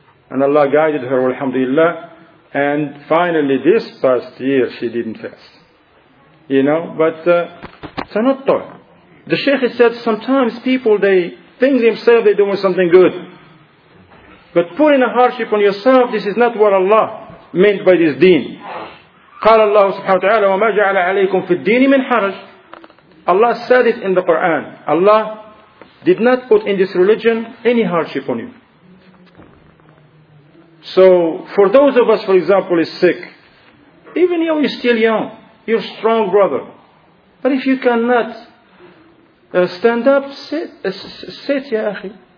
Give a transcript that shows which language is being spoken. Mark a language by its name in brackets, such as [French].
[English] And Allah guided her, alhamdulillah. And finally this past year she didn't fast. You know, but tanattu'. The Shaykh said sometimes people, they think themselves they're doing something good. But putting a hardship on yourself, this is not what Allah meant by this deen. [Arabic] قال الله سبحانه وتعالى وما جعل عليكم في الدين من حرج. [English] Allah said it in the Quran. Allah did not put in this religion any hardship on you. So, for those of us, for example, is sick, even though you're still young, you're a strong brother, but if you cannot stand up, sit, ya akhi.